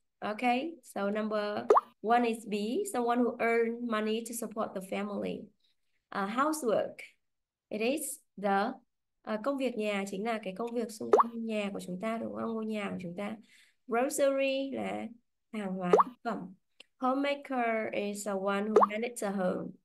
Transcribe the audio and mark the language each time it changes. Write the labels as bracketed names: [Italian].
[English] Okay, so number one is B, someone who earn money to support the family. Housework, it is the [Vietnamese] công việc nhà chính là cái công việc xung quanh nhà của chúng ta, đúng không? Ngôi nhà của chúng ta. Grocery là hàng hóa thực phẩm. [English] Homemaker is the one who manage the home.